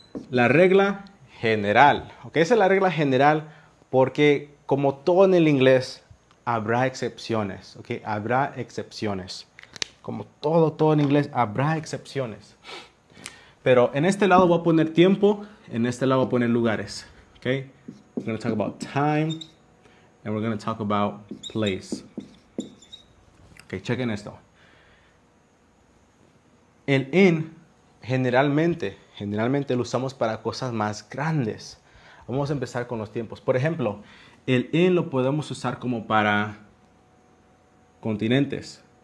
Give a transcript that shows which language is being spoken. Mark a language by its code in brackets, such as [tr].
[es] La regla general. Okay, esa es la regla general porque como todo en el inglés, habrá excepciones. Okay, habrá excepciones. Como todo en inglés, habrá excepciones. Pero en este lado voy a poner tiempo, en este lado voy a poner lugares. [en] Okay, we're going to talk about time and we're going to talk about place. [es] Okay, chequen esto. El in generalmente lo usamos para cosas más grandes. Vamos a empezar con los tiempos. Por ejemplo, el in lo podemos usar como para continentes.